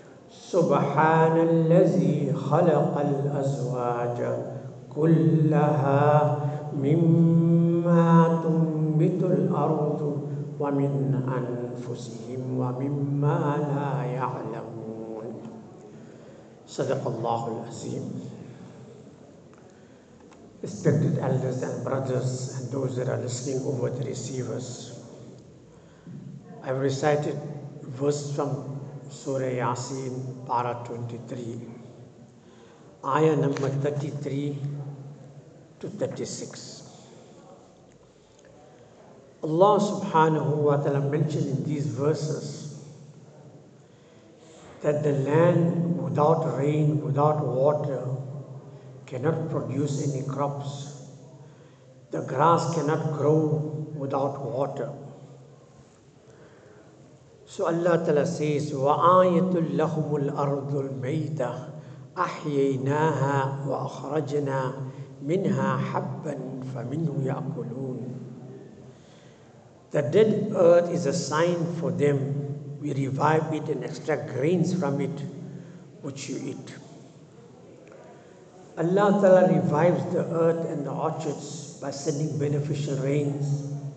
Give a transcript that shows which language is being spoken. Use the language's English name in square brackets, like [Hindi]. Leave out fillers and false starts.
[Arabic] سبحان الذي خلق الأزواج كلها مما تنبت الأرض ومن أنفسهم ومما لا يعلمون. صدق الله العظيم. [English] Respected elders and brothers and those that are listening over the receivers, I have recited verse from Surah Yasin, Para 23, Ayah number 33-36. Allah subhanahu wa ta'ala mentioned in these verses that the land without rain, without water, cannot produce any crops. The grass cannot grow without water. So Allah ta'ala says, [Arabic] وَآيَةٌ لَهُمُ الْأَرْضُ الْمَيْتَةُ أَحْيَيْنَاهَا وَأَخْرَجْنَا مِنْهَا حَبًّا فَمِنْهُ يَأْكُلُونَ. [English] The dead earth is a sign for them. We revive it and extract grains from it, which you eat. Allah Ta'ala revives the earth and the orchards by sending beneficial rains.